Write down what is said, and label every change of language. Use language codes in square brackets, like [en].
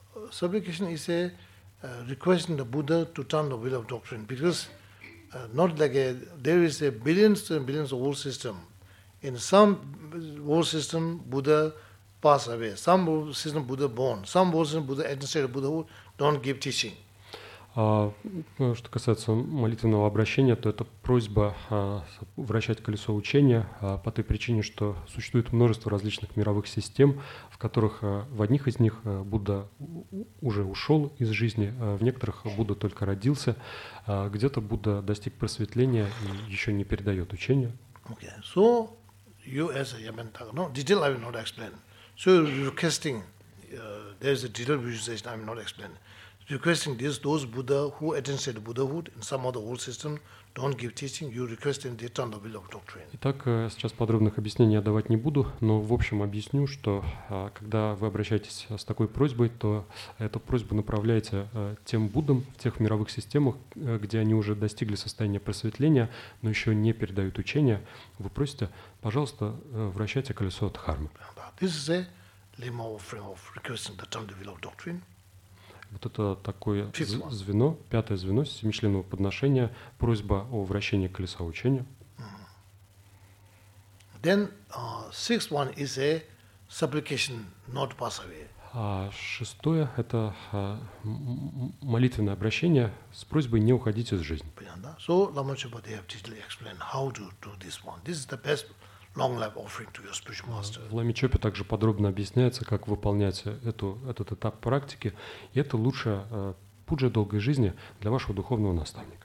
[en] Supplication is a requesting the Buddha to turn the wheel of doctrine because. Not like a, there is a billions and billions of world system. In some world system, Buddha pass away. Some world system, Buddha born. Some world system, Buddha entered Buddhahood, don't give teaching. [ru] Что касается молитвенного обращения, то это просьба вращать колесо учения по той причине, что существует множество различных мировых систем, в которых в одних из них Будда уже ушел из жизни, в некоторых Будда только родился, где-то Будда достиг просветления и еще не передает учение. [en] Okay. So you as a Yamantaka, no, detail I will not explain. So you're requesting, there's a detail visualization I will not explain. Requesting this, those Buddha who attained Buddhahood in some other old system don't give teaching, you requesting they turn the wheel of doctrine. [ru] Итак, сейчас подробных объяснений я давать не буду, но в общем объясню, что когда вы обращаетесь с такой просьбой, то эту просьбу направляете тем Буддам в тех мировых системах, где они уже достигли состояния просветления, но еще не передают учения. Вы просите, пожалуйста, вращайте колесо Дхармы. [en] This is a limo offering of requesting to turn the wheel of doctrine. [ru] Вот это такое звено, пятое звено семичленного подношения, просьба о вращении колеса учения. [en] Then sixth one is a supplication, not pass away. [ru] А шестое – это молитвенное обращение с просьбой не уходить из жизни. Понятно, да? [en] So Lama Chöpa, they have detailed explained how to do this one. This is the best long life offering to your spiritual master. [ru] В Лама Чопе также подробно объясняется, как выполнять этот этап практики. И это лучшая пуджа долгой жизни для вашего духовного наставника.